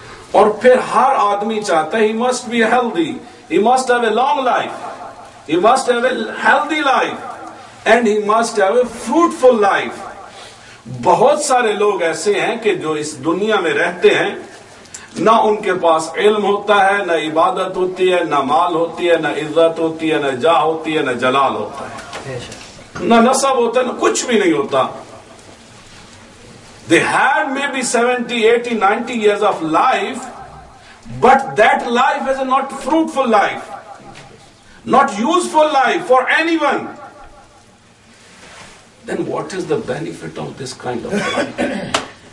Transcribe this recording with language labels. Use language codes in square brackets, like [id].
[ur] اور پھر ہر آدمی چاہتا ہے, [en] he must be healthy. He must have a long life. He must have a healthy life. And he must have a fruitful life. [ur] بہت سارے لوگ ایسے ہیں کہ جو اس دنیا میں رہتے ہیں, نہ ان کے پاس علم ہوتا ہے, نہ عبادت ہوتی ہے, نہ مال ہوتی ہے, نہ عزت ہوتی ہے, نہ جاہ ہوتی ہے, نہ جلال ہوتا ہے, نہ نصب ہوتا ہے, نہ کچھ بھی نہیں ہوتا. [en] They had maybe 70, 80, 90 years of life, but that life is not fruitful life, not useful life for anyone. Then what is the benefit of this kind of life?